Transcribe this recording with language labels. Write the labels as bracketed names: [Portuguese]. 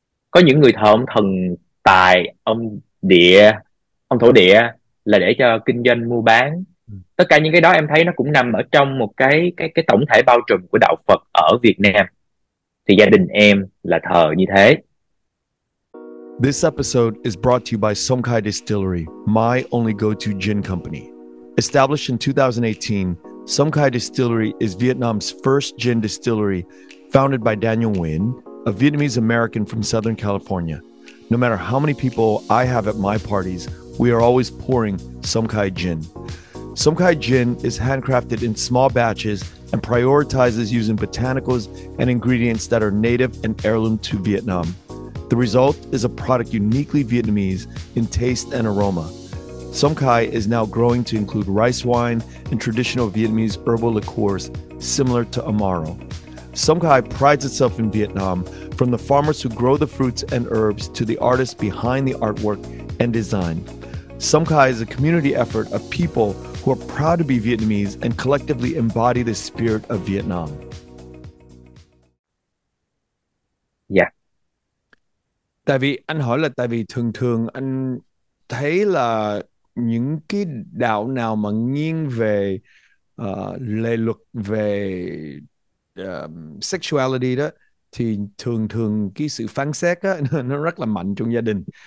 [Vietnamese] Có những người thờ ông thần tài, ông địa, ông thổ địa là để cho kinh doanh mua bán. Tất cả những cái đó em thấy nó cũng nằm ở trong một cái tổng thể bao trùm của đạo Phật ở Việt Nam. Thì gia đình em là thờ như thế. [English] This episode is brought to you by Songkhai Distillery, my only go-to gin company. Established in 2018, Songkhai Distillery is Vietnam's first gin distillery, founded by Daniel Nguyen, a Vietnamese American from Southern California. No matter how many people I have at my parties, we are always pouring Songkhai gin. Songkhai gin is handcrafted in small batches and prioritizes using botanicals and ingredients that are native and heirloom to Vietnam. The result is a product uniquely Vietnamese in taste and aroma. Songkhai is now growing to include rice wine and traditional Vietnamese herbal liqueurs similar to Amaro. Songkhai prides itself in Vietnam, from the farmers who grow the fruits and herbs to the artists behind the artwork and design. Songkhai is a community effort of people who are proud to be Vietnamese and collectively embody the spirit of Vietnam. Yeah. [Vietnamese] Tại vì anh hỏi là tại vì thường thường anh thấy là những cái đạo nào mà nghiêng về lề luật về sexuality đó thì thường thường cái sự phán xét đó, nó rất là mạnh trong gia đình.